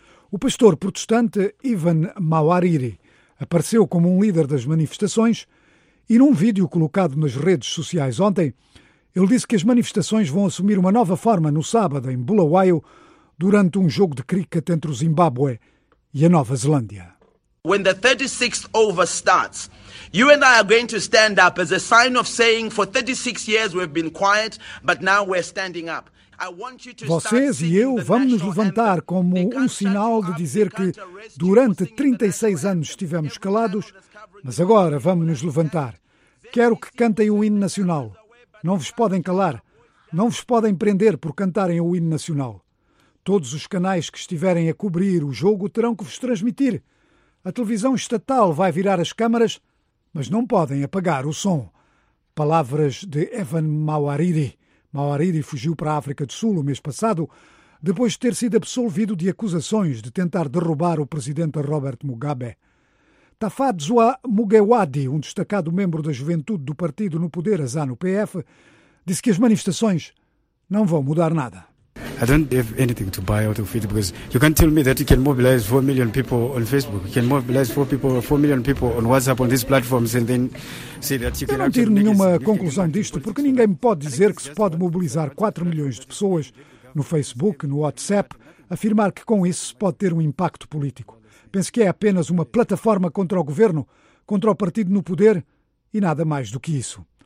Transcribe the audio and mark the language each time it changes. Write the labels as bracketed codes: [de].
[pt] O pastor protestante Ivan Mawariri apareceu como um líder das manifestações e num vídeo colocado nas redes sociais ontem, ele disse que as manifestações vão assumir uma nova forma no sábado em Bulawayo durante um jogo de cricket entre o Zimbábue e a Nova Zelândia. [en] When the 36th over starts, you and I are going to stand up as a sign of saying for 36 years we've been quiet, but now we're standing up. [pt] Vocês e eu vamos nos levantar como um sinal de dizer que durante 36 anos estivemos calados, mas agora vamos nos levantar. Quero que cantem o hino nacional. Não vos podem calar. Não vos podem prender por cantarem o hino nacional. Todos os canais que estiverem a cobrir o jogo terão que vos transmitir. A televisão estatal vai virar as câmaras, mas não podem apagar o som. Palavras de Evan Mawariri. Mawariri fugiu para a África do Sul o mês passado, depois de ter sido absolvido de acusações de tentar derrubar o presidente Robert Mugabe. Tafadzwa Mugewadi, um destacado membro da juventude do partido no poder, a ZANU-PF, disse que as manifestações não vão mudar nada. [en] I don't have anything to buy or to feed because you can tell me that you can mobilize 4 million people on Facebook, you can mobilize 4 million people on WhatsApp on these platforms and then say that you can. [pt] Eu não tiro nenhuma conclusão disto porque ninguém me pode dizer que se pode mobilizar 4 milhões de pessoas no Facebook, no WhatsApp, afirmar que com isso se pode ter um impacto político. Penso que é apenas uma plataforma contra o governo, contra o partido no poder e nada mais do que isso.